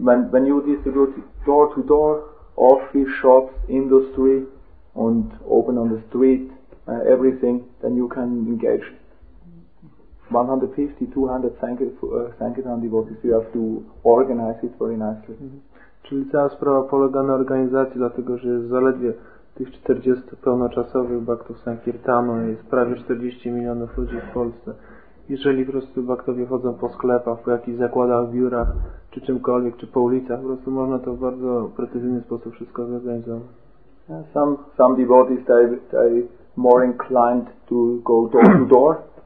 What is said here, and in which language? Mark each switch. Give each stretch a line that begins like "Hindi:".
English: When you distribute door to door, office, shops, industry, and open on the street, everything, then you can engage 150-200 Sankirtan devotees. You have to organize it very nicely. Mm-hmm.
Polish: Czyli cała sprawa polega na organizacji, dlatego że jest zaledwie tych 40 pełnoczasowych baktów Sankirtanu i jest prawie 40 milionów ludzi w Polsce. Jeżeli po prostu baktowie chodzą po sklepach, po jakichś zakładach, biurach, czy czymkolwiek, czy po ulicach, po prostu można to w bardzo precyzyjny sposób wszystko zorganizować.
English: Some devotees, they more inclined to go door to door.